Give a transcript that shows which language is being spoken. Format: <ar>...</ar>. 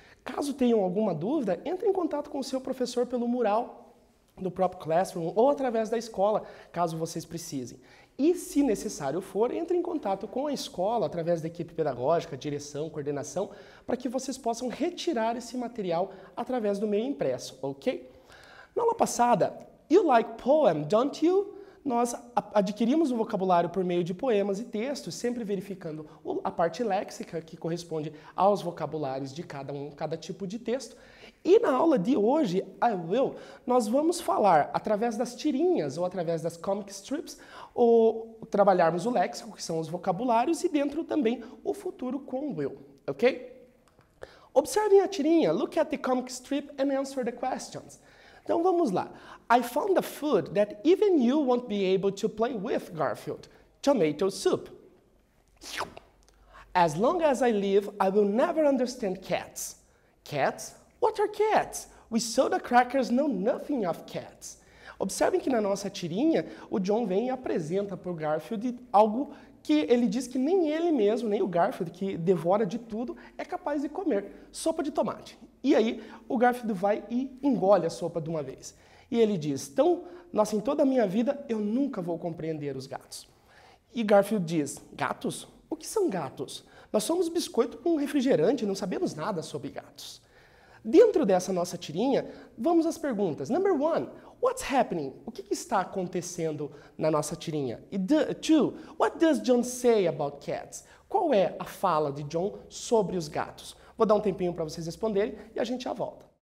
<pt>Caso tenham alguma dúvida, entre em contato com o seu professor pelo mural do próprio Classroom ou através da escola, caso vocês precisem. E, se necessário for, entre em contato com a escola, através da equipe pedagógica, direção, coordenação, para que vocês possam retirar esse material através do meio impresso, ok? Na aula passada,</pt> <en>you like poem, don't you?</en> <pt>Nós adquirimos o vocabulário por meio de poemas e textos, sempre verificando a parte léxica, que corresponde aos vocabulários de cada tipo de texto. E na aula de hoje,</pt> <en>I will,</en> <pt>nós vamos falar através das tirinhas ou através das comic strips, ou trabalharmos o léxico, que são os vocabulários, e dentro também o futuro com will, ok? Observem a tirinha,</pt> <en>look at the comic strip and answer the questions.</en> <pt>Então vamos lá.</pt> <en>I found a food that even you won't be able to play with, Garfield. Tomato soup. As long as I live, I will never understand cats. Cats? What are cats? We soda crackers know nothing of cats.</en> <pt>Observem que na nossa tirinha, o John vem e apresenta para o Garfield algo que ele diz que nem ele mesmo, nem o Garfield, que devora de tudo, é capaz de comer. Sopa de tomate. E aí, o Garfield vai e engole a sopa de uma vez. E ele diz, então, nossa, em toda a minha vida, eu nunca vou compreender os gatos. E Garfield diz, gatos? O que são gatos? Nós somos biscoito com refrigerante, não sabemos nada sobre gatos. Dentro dessa nossa tirinha, vamos às perguntas.</pt> <en>Number one, what's happening?</en> <pt>O que está acontecendo na nossa tirinha?</pt> <en>E two, what does John say about cats?</en> <pt>Qual é a fala de John sobre os gatos? Vou dar um tempinho para vocês responderem e a gente já volta.</pt>